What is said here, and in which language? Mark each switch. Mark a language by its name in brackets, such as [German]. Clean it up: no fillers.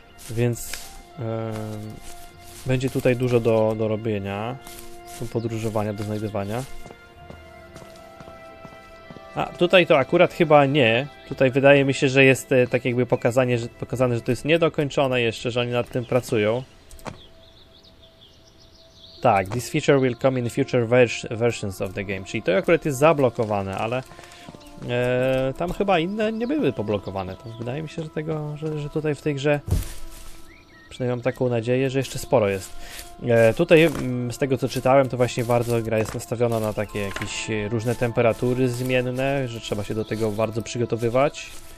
[Polish] Więc będzie tutaj dużo do robienia. Do podróżowania, do znajdywania. A tutaj to akurat chyba nie. Tutaj wydaje mi się, że jest tak jakby pokazane, że to jest niedokończone jeszcze, że oni nad tym pracują. [English] Tak, this feature will come in future versions of the game. [Polish] Czyli to akurat jest zablokowane, ale tam chyba inne nie były poblokowane. To wydaje mi się, że tego, że tutaj w tej grze przynajmniej mam taką nadzieję, że jeszcze sporo jest. Tutaj z tego co czytałem, to właśnie bardzo gra jest nastawiona na takie jakieś różne temperatury zmienne, że trzeba się do tego bardzo przygotowywać.